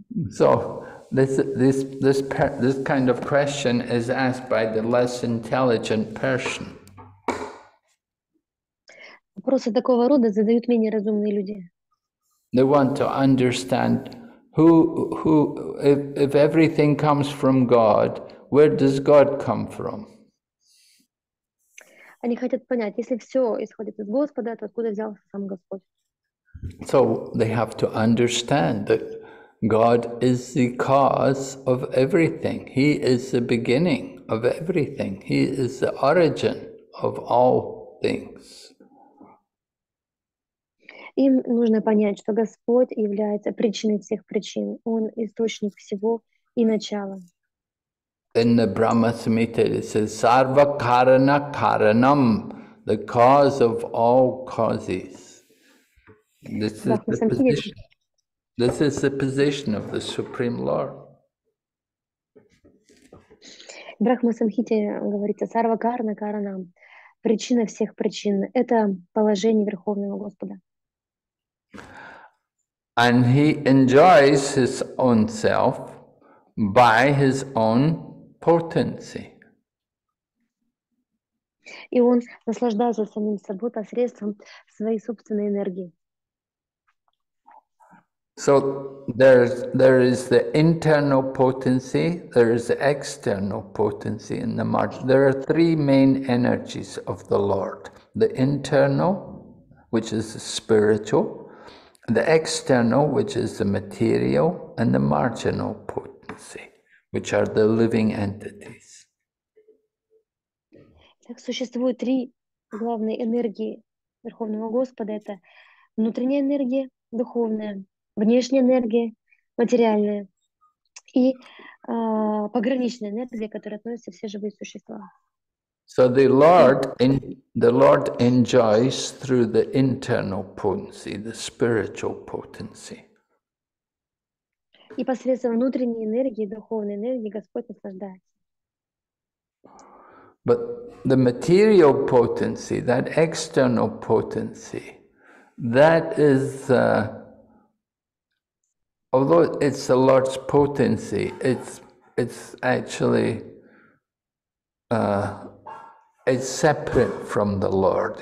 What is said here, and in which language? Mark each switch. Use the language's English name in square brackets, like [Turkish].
[English] So this kind of question is asked by the less intelligent person. [Russian] Вопросы такого рода задают менее разумные люди. [English] They want to understand who if everything comes from God, where does God come from? [Russian] Они хотят понять, если все исходит из Господа, то откуда взялся сам Господь? [English] So they have to understand that God is the cause of everything. He is the beginning of everything. He is the origin of all things. [Russian] Им нужно понять, что Господь является причиной всех причин. Он источник всего и начало. [English] In the Brahma Samhita it says [Sanskrit] sarva karana karanam, [English] the cause of all causes. This is the position. This is the position of the Supreme Lord. [Russian] Брахма Самхите говорится сарва карана каранам, причина всех причин. Это положение Верховного Господа. [English] And he enjoys his own self by his own potency. [Russian] И он наслаждается самим собой посредством своей собственной энергии. [English] So there is the internal potency, there is the external potency in the mind. There are three main energies of the Lord. The internal, which is the spiritual, the external, which is the material, and the marginal potency, which are the living entities. [Russian] Так существует три главные энергии Верховного Господа. Это внутренняя энергия, духовная, внешняя энергия, материальная, и пограничная энергия, которая относится все живые существа. [English] So the Lord enjoys through the internal potency, the spiritual potency. [Russian] И посредством внутренней энергии, духовной энергии, Господь наслаждается. [English] But the material potency, that external potency, that is, although it's the Lord's potency, it's actually, it's separate from the Lord.